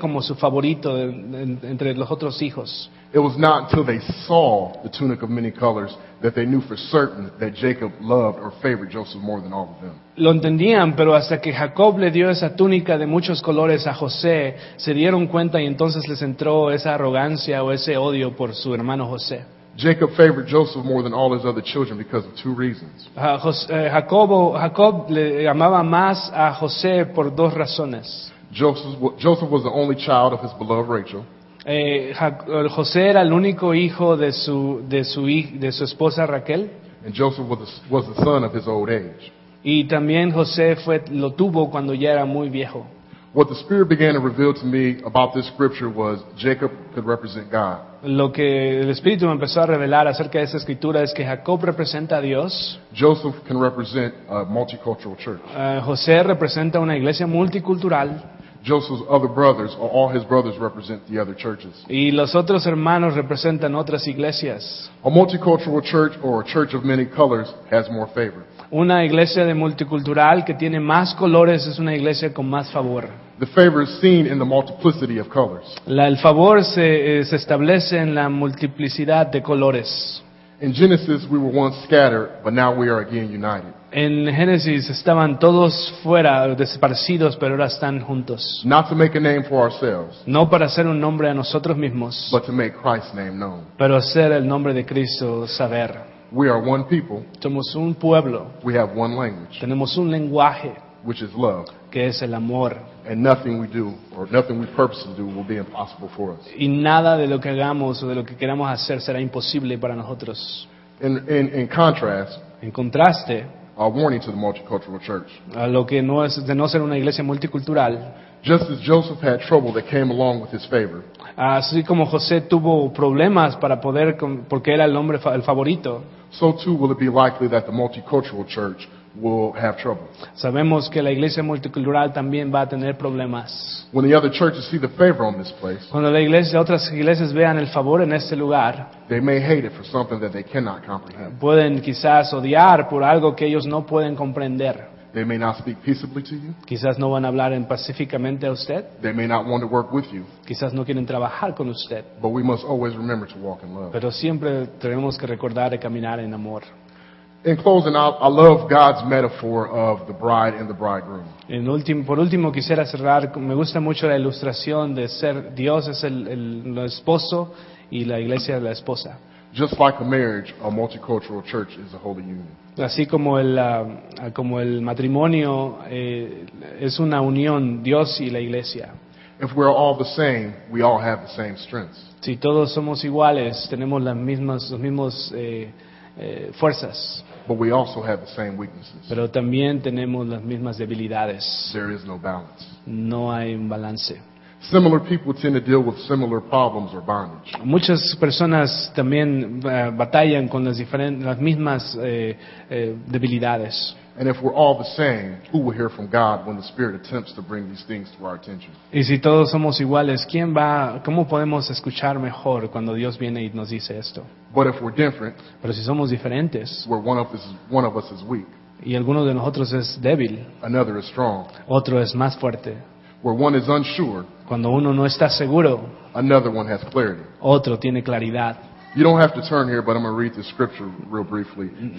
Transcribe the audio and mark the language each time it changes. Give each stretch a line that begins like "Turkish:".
Spanish: Se entendía que Jacob ponía a José como su favorito entre los otros hijos.
English: It was not until they saw the tunic of many colors that they knew for certain that Jacob loved or favored Joseph more than all of them.
Spanish: Lo entendían, pero hasta que Jacob le dio esa túnica de muchos colores a José, se dieron cuenta y entonces les entró esa arrogancia o ese odio por su hermano José.
English: Jacob favored Joseph more than all his other children because of two reasons.
Spanish: Jacob le amaba más a José por dos razones.
English: Joseph was the only child of his beloved Rachel.
Spanish: José era el único hijo de su esposa Raquel.
English: And Joseph was the son of his old age.
Spanish: Y también José lo tuvo cuando ya era muy viejo.
English: What the Spirit began to reveal to me about this scripture was Jacob could represent God.
Spanish: Lo que el Espíritu me empezó a revelar acerca de esa escritura es que Jacob representa a Dios.
English: Joseph can represent a multicultural church.
Spanish: José representa una iglesia multicultural.
English: Joseph's other brothers, or all his brothers, represent the other churches.
Spanish: Y los otros hermanos representan otras iglesias.
English: A multicultural church or a church of many colors has more favor.
Spanish: Una iglesia de multicultural que tiene más colores es una iglesia con más favor.
English: The favor is seen in the multiplicity of colors.
Spanish: El favor se establece en la multiplicidad de colores.
English: In Genesis, we were once scattered, but now we are again united.
Spanish: En Génesis estaban todos fuera, desparcidos, pero ahora están juntos.
English: Not to make a name for ourselves.
Spanish: No para hacer un nombre a nosotros mismos.
English: But to make Christ's name known.
Spanish: Pero hacer el nombre de Cristo saber.
English: We are one people.
Spanish: Somos un pueblo.
English: We have one language.
Spanish: Tenemos un lenguaje.
English: Which is love.
Spanish: Que es el amor.
English: And nothing we do or nothing we purpose to do will be impossible for us.
Spanish: Y nada de lo que hagamos o de lo que queramos hacer será imposible para nosotros.
English: In contrast,
Spanish: en contraste,
English: a warning to the multicultural church.
Spanish: A lo que no es de no ser una iglesia multicultural.
English: Just as Joseph had trouble that came along with his favor.
Spanish: Así como José tuvo problemas para poder, porque era el hombre el favorito.
English: So too will it be likely that the multicultural church will have trouble.
Spanish: Sabemos que la iglesia multicultural también va a tener problemas.
English: When the other churches see the favor on this place,
Spanish: cuando otras iglesias vean el favor en este lugar,
English: they may hate it for something that they cannot comprehend.
Spanish: Pueden quizás odiar por algo que ellos no pueden comprender.
English: They may not speak peaceably to you.
Spanish: Quizás no van a hablar pacíficamente a usted.
English: They may not want to work with you.
Spanish: Quizás no quieren trabajar con usted.
English: But we must always remember to walk in love.
Spanish: Pero siempre tenemos que recordar de caminar en amor.
English: In closing, I love God's metaphor of the bride and the bridegroom.
Spanish: Por último, quisiera cerrar. Me gusta mucho la ilustración de ser Dios es el esposo y la iglesia la esposa.
English: Just like a marriage, a multicultural church is a holy union.
Spanish: Así como el matrimonio es una unión, Dios y la iglesia.
English: If we're all the same, we all have the same strengths.
Spanish: Si todos somos iguales, tenemos los mismos fuerzas.
English: But we also have the same weaknesses.
Spanish: Pero también tenemos las mismas debilidades.
English: There is no balance.
Spanish: No hay un balance.
English: Similar people tend to deal with similar problems or bondage.
Spanish: Muchas personas también batallan con las mismas debilidades.
English: And if we're all the same, who will hear from God when the Spirit attempts to bring these things to our attention?
Spanish: Y si todos somos iguales, ¿cómo podemos escuchar mejor cuando Dios viene y nos dice esto?
English: But if we're different,
Spanish: pero si somos diferentes,
English: where one of us is weak,
Spanish: y alguno de nosotros es débil,
English: another is strong,
Spanish: otro es más fuerte.
English: Where one is unsure,
Spanish: cuando uno no está seguro,
English: another one has clarity.
Spanish: Otro tiene claridad.
English: You don't have to turn here, but I'm going to read the scripture real briefly.